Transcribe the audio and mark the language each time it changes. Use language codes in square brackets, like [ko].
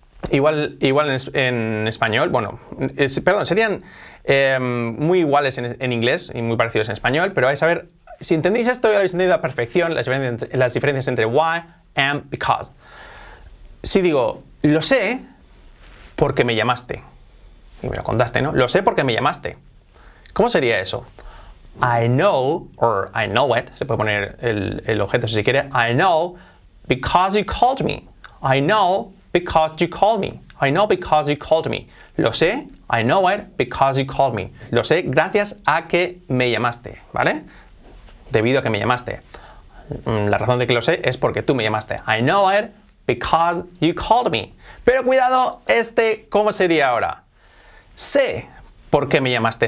[es] Igual en español, bueno, perdón, serían muy iguales en inglés y muy parecidos en español, pero vais a ver, si entendéis esto, ya lo habéis entendido a la perfección, las diferencias entre why and because. Si digo, lo sé porque me llamaste, y me lo contaste, ¿no? Lo sé porque me llamaste. ¿Cómo sería eso? [en] I know, or I know it, [es] se puede poner el objeto si quiere, [en] I know because you called me, I know because you called me. I know because you called me. [es] Lo sé, [en] I know it, because you called me. [es] Lo sé gracias a que me llamaste, ¿vale? Debido a que me llamaste. La razón de que lo sé es porque tú me llamaste. [en] I know it because you called me. [es] Pero cuidado, este, ¿cómo sería ahora? Sé por qué me llamaste.